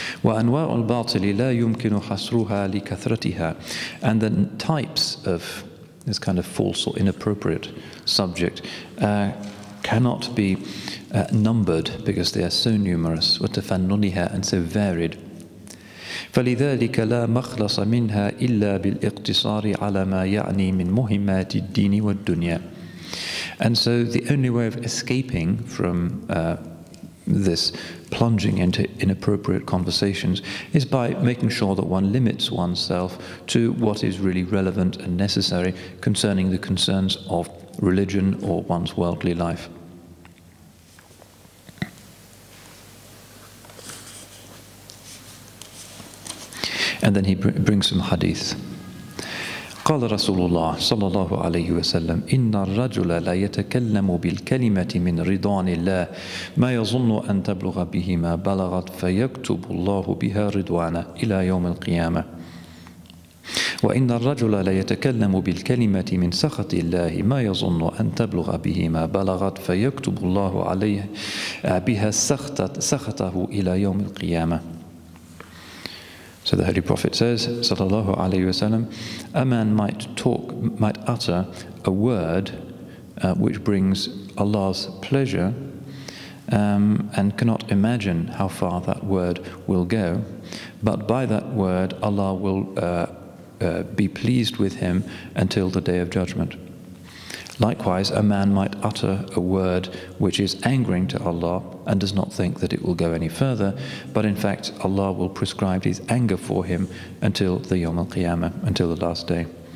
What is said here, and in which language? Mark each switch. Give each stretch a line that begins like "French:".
Arabic: وَأَنْوَاعُ الْبَاطِلِ لَا يُمْكِنُ حَصْرُهَا لِكَثْرَتِهَا
English: And the types of this kind of false or inappropriate subject cannot be numbered because they are so numerous
Arabic: وَتَفَنُّنِهَا
English: and so varied.
Arabic: فلذلك لا مخلص منها إلا بالاقتصار على ما يعني من مهمات الدين والدنيا.
English: And so the only way of escaping from this plunging into inappropriate conversations is by making sure that one limits oneself to what is really relevant and necessary concerning the concerns of religion or one's worldly life. And then he brings some hadith.
Arabic: قال رسول الله صلى الله عليه وسلم إن الرجل لا يتكلم بالكلمة من رضوان الله ما يظن أن تبلغ به ما بلغت فيكتب الله بها رضوانا إلى يوم القيامة وإن الرجل لا يتكلم بالكلمة من سخط الله ما يظن أن تبلغ به ما بلغت فيكتب الله عليه بها سخطه إلى يوم القيامة
English: So the Holy Prophet says, Sallallahu Alaihi Wasallam, a man might utter a word which brings Allah's pleasure and cannot imagine how far that word will go. But by that word, Allah will be pleased with him until the Day of Judgment. Likewise, a man might utter a word which is angering to Allah and does not think that it will go any further, but in fact Allah will prescribe his anger for him until the Yawm al-Qiyamah, until the last day.